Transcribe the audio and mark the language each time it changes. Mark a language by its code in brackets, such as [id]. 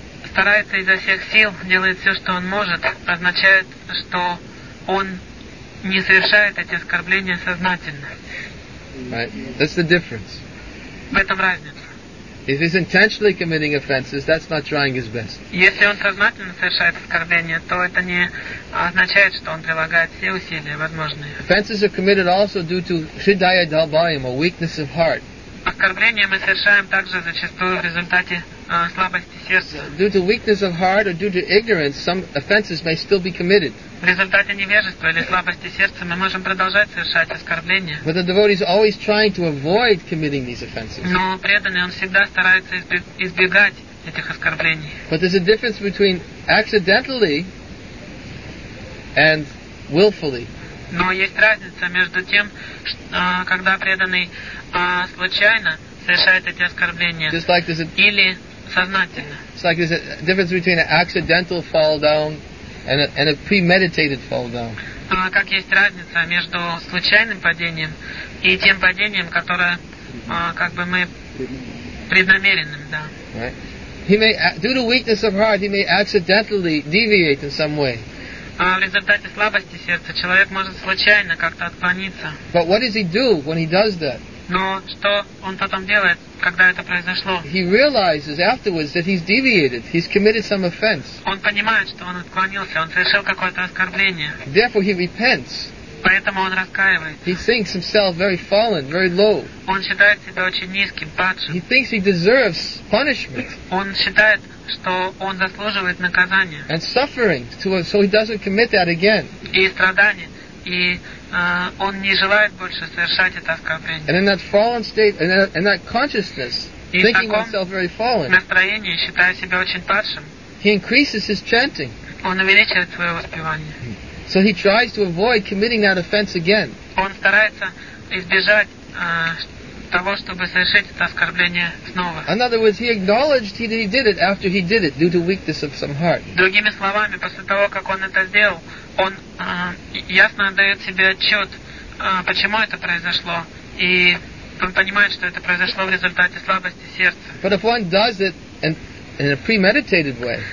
[ru] Старается изо всех сил, делает все, что он может, означает, что он не совершает эти оскорбления сознательно. [en] Right. That's the difference. [ru] В этом разница. [en] If he's intentionally committing offenses, that's not trying his best. [ru] Если он сознательно совершает оскорбление, то это не означает, что он прилагает все усилия возможные. [en] Offenses are committed also due to shidaya dalbayim, a weakness of heart. [ru] Оскорбление мы совершаем также зачастую в результате слабости сердца. [en] Due to weakness of heart or due to ignorance, some offenses may still be committed. [ru] В результате невежества или слабости сердца мы можем продолжать совершать оскорбления. [en] But the devotee is always trying to avoid committing these offenses. [ru] Но преданный, он всегда старается избегать этих оскорблений. [en] But there's a difference between accidentally and willfully. [ru] Но есть разница между тем, когда преданный случайно совершает эти оскорбления, [en] just like there's a, [ru] или сознательно. [en] It's like there's a difference between an accidental fall down and a premeditated fall down. [ru] Как есть разница между случайным падением и тем падением, которое как бы мы преднамеренным, да. [en] Right. He may, due to weakness of heart, he may accidentally deviate in some way. [ru] В результате слабости сердца человек может случайно как-то отклониться. [en] But what does he do when he does that? [ru] Но что он потом делает, когда это произошло? [en] He realizes afterwards that he's deviated. He's committed some offense. [ru] Он понимает, что он отклонился, он совершил какое-то оскорбление. [en] Therefore he repents. [ru] Поэтому он раскаивается. [en] He thinks himself very fallen, very low. [ru] Он считает себя очень низким, падшим. [en] He thinks he deserves punishment. [ru] Он считает, что он заслуживает наказания. [en] And suffering, so he doesn't commit that again. [ru] И страдания. И он не желает больше совершать это оскорбление. [en] And in that fallen state, in that consciousness, [ru] и [en] thinking himself very fallen, [ru] настроение, считая себя очень падшим, [en] he increases his chanting. [ru] Он увеличивает свое воспевание. [en] So he tries to avoid committing that offense again. [ru] Он старается избежать того, чтобы совершить это оскорбление снова. [en] In other words, he acknowledged that he did it after he did it due to weakness of some heart. [ru] Другими словами, после того, как он это сделал, он ясно отдает себе отчет, почему это произошло, и он понимает, что это произошло в результате слабости сердца. [en] But if one does it in a premeditated way.